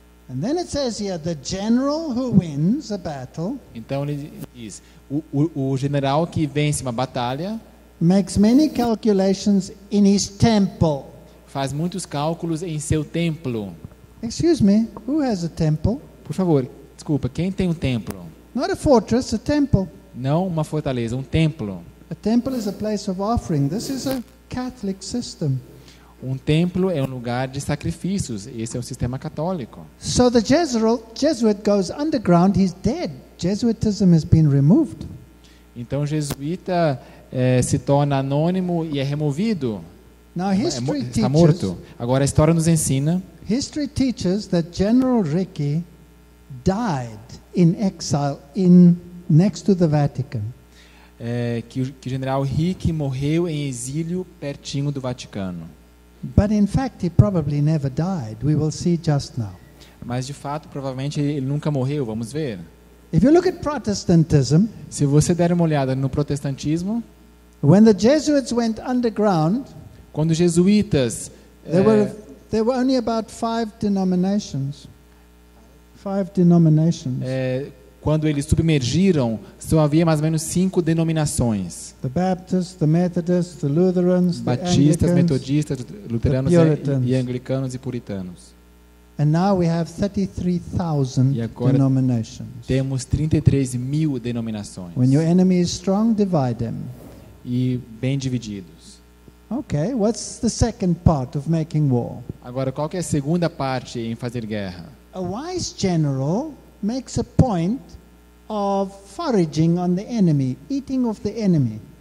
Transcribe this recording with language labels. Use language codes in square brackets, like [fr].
[en] And then it says here, the general who wins a battle. [pt] Então ele diz, o general que vence uma batalha [en] makes many calculations in his temple. [pt] Faz muitos cálculos em seu templo. [en] Excuse me, who has a temple? [pt] Por favor, desculpa, quem tem um templo? [en] Not a fortress, a temple. [pt] Não uma fortaleza, um templo. [en] A temple is a place of offering. This is a Catholic system. [pt] Um templo é um lugar de sacrifícios. Esse é um sistema católico. [en] So the Jesuit goes underground. He's dead. Jesuitism has been removed. [pt] Então o jesuíta se torna anônimo e é removido. [en] Now history [pt] está morto. Agora a história nos ensina. [en] History teaches that General Ricci died in exile in next to the Vatican. [pt] Que o General Ricci morreu em exílio pertinho do Vaticano. [en] But in fact, he probably never died. We will see just now. [pt] Mas de fato, provavelmente ele nunca morreu. Vamos ver. [en] If you look at Protestantism, [pt] se você der uma olhada no protestantismo, [en] when the Jesuits went underground, [pt] quando os jesuítas, [en] there were only about five denominations. Five denominations. [pt] Quando eles submergiram, só havia mais ou menos 5 denominações. [en] The Baptists, the Methodists, the Lutherans, [pt] Batistas, [en] the [pt] metodistas, luteranos [en] the Puritans. [pt] E anglicanos e puritanos. [en] And now we have 33,000 denominations. [pt] Temos 33,000 denominações. [en] When your enemy is strong, divide them. [pt] E bem divididos. [en] Okay, what's the second part of making war? [pt] Agora, qual que é a segunda parte em fazer guerra? [en] A wise general makes a point of foraging on the enemy, eating of the enemy.